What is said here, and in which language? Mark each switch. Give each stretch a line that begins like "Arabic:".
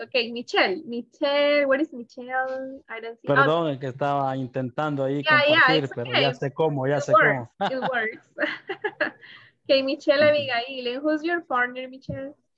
English: Okay, Michelle, what is Michelle? I don't see.
Spanish: Perdón, oh, que estaba intentando ahí compartir, pero okay. ya sé cómo.
English: It works. Okay, Michelle Abigail, and who's your partner, Michelle?